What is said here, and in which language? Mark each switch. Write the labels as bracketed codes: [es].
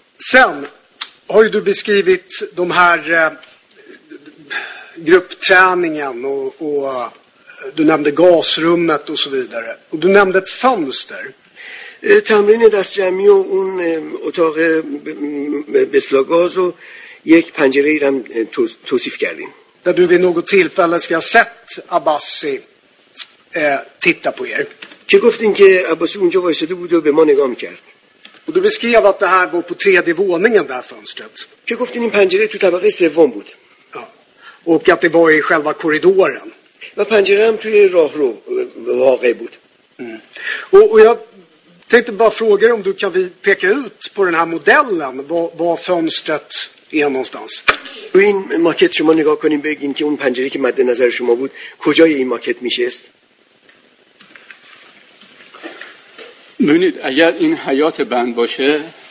[sv] Sen har ju du beskrivit de här gruppträningen och du nämnde gasrummet och så vidare. Och du nämnde ett fönster. [fa] تمرین دست جمعی و اون اتاق بسلاگاز و یک پنجره ای رو توصیف کردیم. [sv] Där du vid något tillfälle ska ha sett Abbasi titta på er. [fa] Que گفتین که عباسی اونجا وایساده بود و به ما نگاه می‌کرد. [sv] Och du beskrev att det här var på tredje våningen där fönstret. [fa] Que گفتین این پنجره تو طبقه سوم بود. [sv] Ja. Och att det var i själva korridoren. [fa] و پنجره هم توی راهرو واقع بود. [sv] Och jag tänkte bara fråga om du kan vi peka ut på den här modellen var fönstret är någonstans. [fa] Och این ماکت شما نگاه کنین بگین که اون پنجره که مد نظر شما بود کجای این ماکت میشست. ببینید اگر این حیات بند باشه